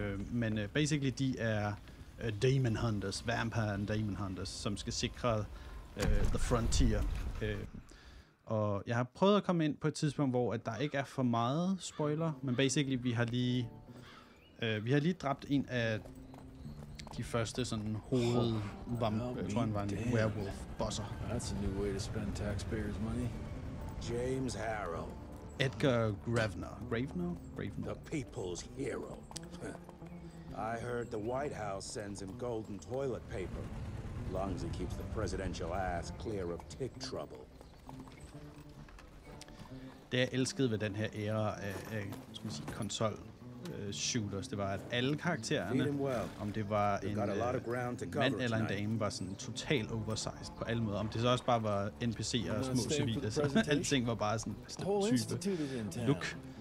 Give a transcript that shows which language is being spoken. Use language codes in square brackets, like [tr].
[da] Men basically, de er Demon Hunters, Vampire and Demon Hunters, som skal sikre The Frontier. Og jeg har prøvet at komme ind på et tidspunkt, hvor at der ikke er for meget spoiler, men basically, vi har lige dræbt en af de første sådan werewolf bosser. [en] That's a new way to spend taxpayers' money. James Harrow. Edgar Gravner. Gravner. The people's hero. I heard the White House sends him golden toilet paper. Lungs he keeps the presidential ass clear of tick trouble. [da] Det jeg elskede ved den her æra af skal man sige konsol shooters, det var at alle karaktererne, om det var en mand eller en dame, var sådan total oversized på alle måder. Om det så også bare var NPC'er og små civile, så alting var bare sådan bestemt type look.